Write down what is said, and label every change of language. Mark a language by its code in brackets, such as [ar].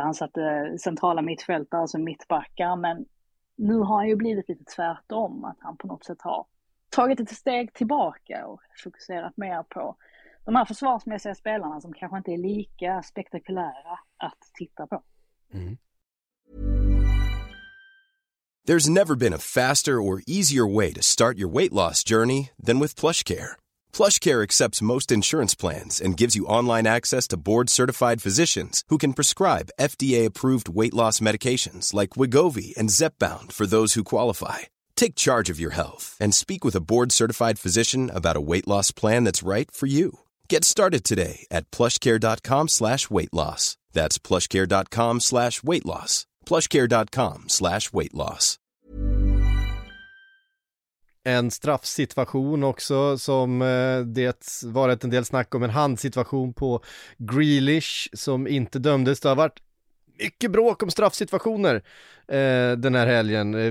[sv] Han satte centrala mittfältare, alltså mittbackar, men nu har han ju blivit lite tvärtom, att han på något sätt har tagit ett steg tillbaka och fokuserat mer på de här försvarsmässiga spelarna som kanske inte är lika spektakulära att titta på. Mm. [en] There's never been a faster or easier way to start your weight loss journey than with PlushCare. PlushCare accepts most insurance plans and gives you online access to board-certified physicians who can prescribe FDA-approved weight loss medications like Wegovy and Zepbound for those who qualify. Take charge of your health and speak with a board-certified physician about a weight loss plan that's right for you. Get started today at PlushCare.com/weightloss. That's PlushCare.com/weightloss. PlushCare.com/weightloss. [sv] En straffsituation också som det varit en del snack om, en handsituation på Grealish som inte dömdes. Det har varit mycket bråk om straffsituationer den här helgen.